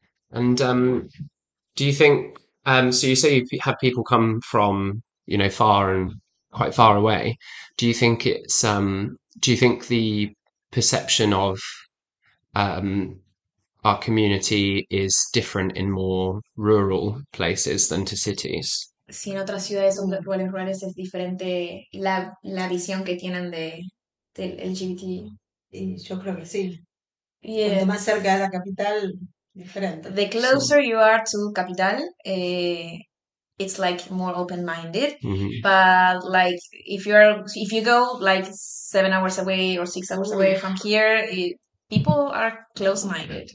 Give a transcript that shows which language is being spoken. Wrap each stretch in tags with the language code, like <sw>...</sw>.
<en>And do you think, so you say you have people come from, you know, far and quite far away. Do you think the perception of our community is different in more rural places than to cities?</en> <es>Si en otras ciudades son lugares rurales, es diferente la visión que tienen del LGBT. Yo creo que sí.</es> <en>Yes.</en> <es>Cuanto más cerca de la capital, diferente.</es> <en>The closer you are to capital, it's like more open-minded. Mm-hmm. But like if you go like 7 hours away or 6 hours away from here, people are close-minded.</en>